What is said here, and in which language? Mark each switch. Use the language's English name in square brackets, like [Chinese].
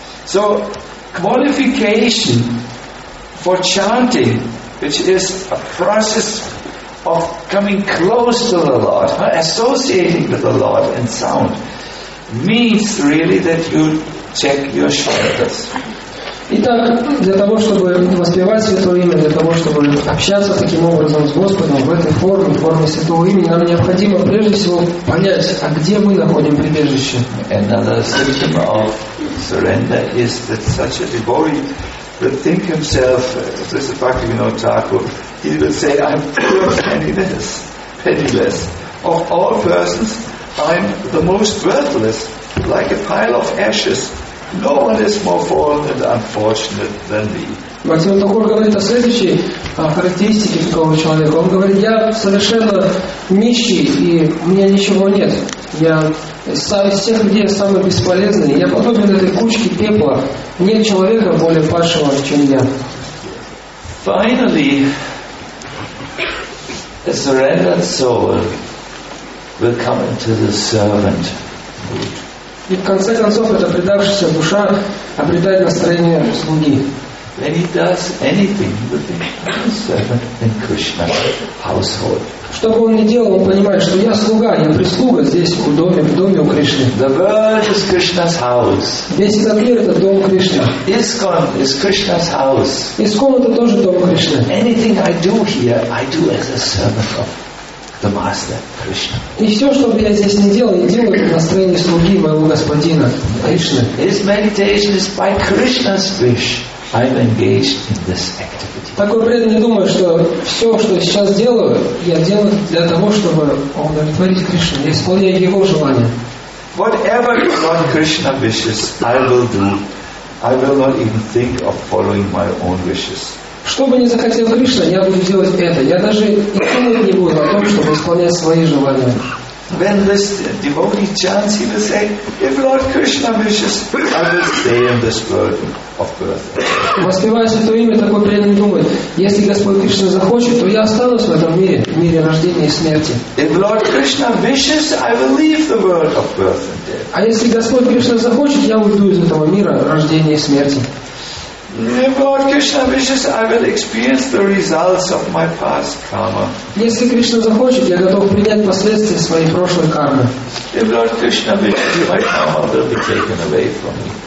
[English] So qualification for chanting, which is a process of coming close to the Lord, associating with the Lord in sound, means really that you check your shortcuts. [Russian] Итак, для того, чтобы воспевать Святое Имя, для того, чтобы общаться таким образом с Господом в этой форме, в форме Святого Имени, нам необходимо прежде всего понять, а где мы находим прибежище. [English] Another symptom of surrender is that such a devotee would think himself, this is Bhaktivinoda Thakur, he would say, I'm penniless, penniless. Of all persons, I'm the most worthless, like a pile of ashes. No one is more fallen and unfortunate than me. [Russian] Бхактивинода Тхакур говорит о следующей характеристике такого человека. Он говорит, я совершенно нищий, и у меня ничего нет. Я сам, из всех людей самый бесполезный. Я подобен этой кучке пепла. Нет человека более падшего, чем я. [English] Finally, a surrendered soul will come into the servant mood. [Russian] И в конце концов эта предавшаяся душа обретает настроение слуги. [English] When he does anything, he will think I'm a servant in Krishna's household. [Russian] Что бы он ни делал, он понимает, что я слуга, я прислуга здесь, в доме у Кришны. [English] The world is Krishna's house. [Russian] Весь этот мир — это дом Кришны. [English] ISKCON is Krishna's house. [Russian] ISKCON — это тоже дом Кришны. [English] Anything I do here, I do as a servant of the Master Krishna. [Russian] И все, что бы я здесь не делал, я делаю это в настроении слуги моего господина Кришны. [English] His meditation is by Krishna's wish. I'm engaged in this activity. [Russian] Такой преданный думает, что все, что я сейчас делаю, я делаю для того, чтобы удовлетворить Кришну, я исполняю Его желание. [English] Whatever Lord Krishna wishes, I will do. I will not even think of following my own wishes. [Russian] Что бы ни захотел Кришна, я буду делать это. Я даже и думать не буду о том, чтобы исполнять свои желания. [English] When this devotee chants, he will say, if Lord Krishna wishes, I will stay in this burden of birth. [Russian] Воспевая Святое Имя, такой преданный думает, если Господь Кришна захочет, то я останусь в этом мире, в мире рождения и смерти. [English] If Lord Krishna wishes, I will leave the world of birth and death. [Russian] А если Господь Кришна захочет, я уйду из этого мира рождения и смерти. [English] If Lord Krishna wishes, I will experience the results of my past karma. [Russian] Если Кришна захочет, я готов принять последствия своей прошлой кармы. [English] If Lord Krishna wishes, my karma will be taken away from me.